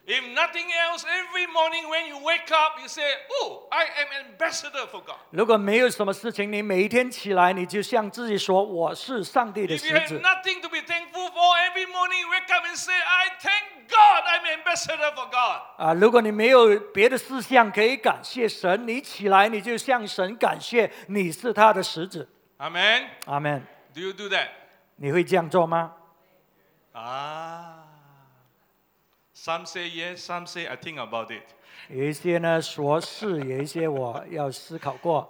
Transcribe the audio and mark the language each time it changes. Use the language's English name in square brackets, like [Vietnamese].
[English] If nothing else, every morning when you wake up, you say, "Oh, I am an ambassador for God." [Chinese] 如果没有什么事情，你每一天起来，你就向自己说，我是上帝的使者。 [English] If you have nothing to be thankful for, every morning you wake up and say, "I thank God, I'm an ambassador for God." [Chinese] 如果你没有别的事项可以感谢神，你起来你就向神感谢，你是他的使者。 [English] Amen. Amen. Do you do that? [Chinese] 你会这样做吗？ [English] 啊、some say yes, some say I think about it. [Chinese] 有一些呢说是，有一些我要思考过。